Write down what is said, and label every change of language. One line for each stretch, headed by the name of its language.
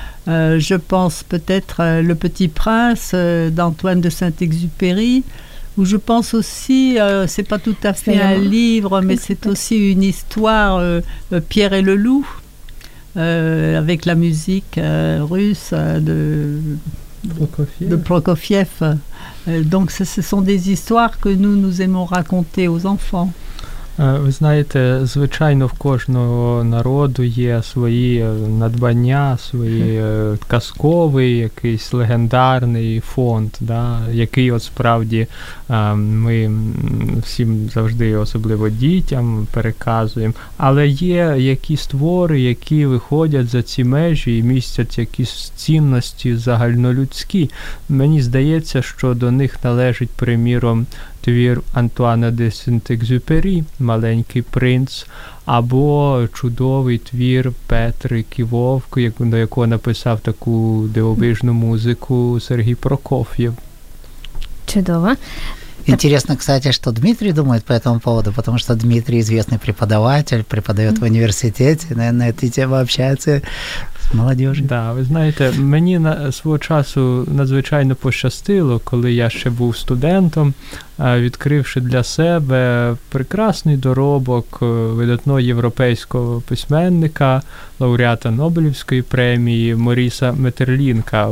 French: Je pense peut-être Le Petit Prince d'Antoine de Saint-Exupéry, ou je pense aussi, c'est pas tout à fait un livre, mais c'est aussi une histoire, Pierre et le Loup. Avec la musique russe de Prokofiev. Donc ce sont des histoires que nous aimons raconter aux enfants.
Ukrainian: Ви знаєте, звичайно, в кожного народу є свої надбання, свої казковий, якийсь легендарний фонд, да, який от справді ми всім завжди, особливо дітям, переказуємо. Але є якісь твори, які виходять за ці межі і містять якісь цінності загальнолюдські. Мені здається, що до них належить, приміром, твір Антуана де Сент-Екзюпері «Маленький принц», або чудовий твір Петрик і Вовк, до якого написав таку дивовижну музику Сергій Прокоф'єв. Чудово.
Russian: Интересно, кстати, что Дмитрий думает по этому поводу, потому что Дмитрий известный преподаватель, преподает в университете, наверное, эти темы общаются с молодежью.
Ukrainian: Да, вы знаете, мне на свого часу надзвичайно пощастило, коли я ще був студентом, відкривши для себе прекрасний доробок видатного європейського письменника, лауреата Нобелівської премії Моріса Метерлінка.